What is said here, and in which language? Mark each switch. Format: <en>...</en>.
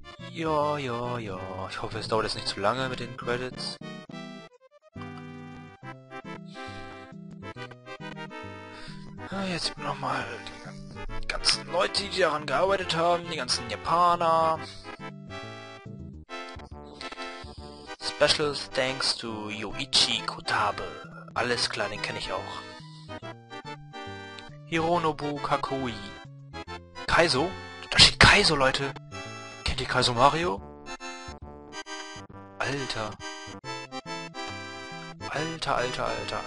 <de>Ja. Ich hoffe, es dauert jetzt nicht zu lange mit den Credits. Ja, jetzt nochmal die ganzen Leute, die daran gearbeitet haben, die ganzen Japaner.</de> <en>Special thanks to Yoichi Kotabe.</en> <de>Alles klar, den kenne ich auch. Hironobu Kakui. Kaizo? Da steht Kaizo, Leute! Kennt ihr Kaizo Mario? Alter. Alter.</de>